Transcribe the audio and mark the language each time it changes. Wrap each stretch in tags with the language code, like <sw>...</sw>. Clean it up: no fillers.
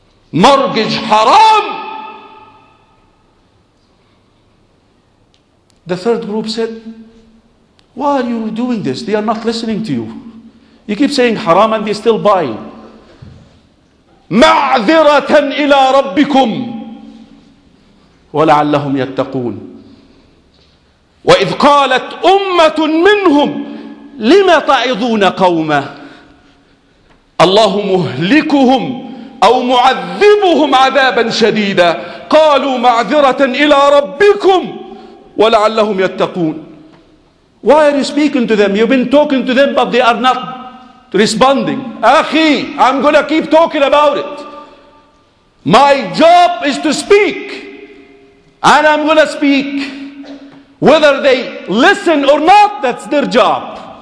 <en>Mortgage haram! The third group said, why are you doing this? They are not listening to you. You keep saying haram and they still buy.</en> <ar>معذرة إلى ربكم ولعلهم يتقون وإذ قالت أمة منهم لما تعظون قوما الله مهلكهم أو معذبهم عذابا شديدا قالوا معذرة إلى ربكم ولعلهم يتقون.</ar> <en>Why are you speaking to them? You've been talking to them, but they are not responding. أخي, I'm gonna keep talking about it. My job is to speak, and I'm gonna speak. Whether they listen or not, that's their job.</en>